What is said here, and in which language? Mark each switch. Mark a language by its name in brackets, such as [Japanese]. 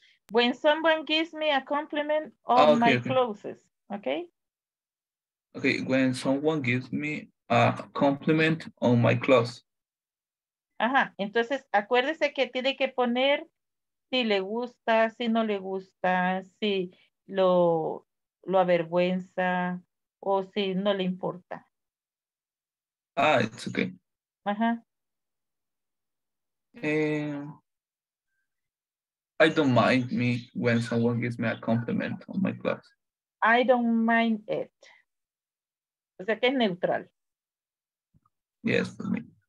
[English] When someone gives me a compliment on my clothes, okay? Okay, when someone gives me a compliment on my clothes. [Spanish] Ajá, entonces acuérdese que tiene que poner si le gusta, si no le gusta, si lo avergüenza o si no le importa. [English] Ah, it's okay. Ajá. I don't mind me when someone gives me a compliment on my clothes. I don't mind it. [Spanish] O sea, que es neutral. [English] Yes, for me.